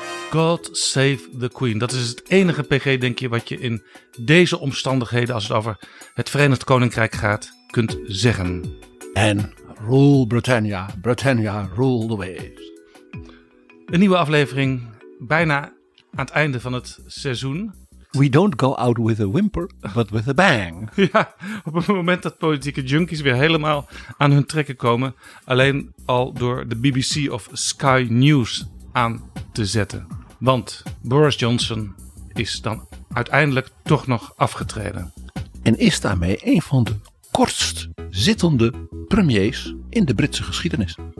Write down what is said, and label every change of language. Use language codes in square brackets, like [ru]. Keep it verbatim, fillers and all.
[en] God Save the Queen. [nl] Dat is het enige, P G, denk je, wat je in deze omstandigheden, als het over het Verenigd Koninkrijk gaat, kunt zeggen. [en] En rule Britannia, Britannia rule the waves. [nl] Een nieuwe aflevering, bijna aan het einde van het seizoen. [en] We don't go out with a whimper, but with a bang. [nl] Ja, op het moment dat politieke junkies weer helemaal aan hun trekken komen, alleen al door de B B C of Sky News aan te zetten. Want Boris Johnson is dan uiteindelijk toch nog afgetreden. En is daarmee een van de kortst zittende premiers in de Britse geschiedenis.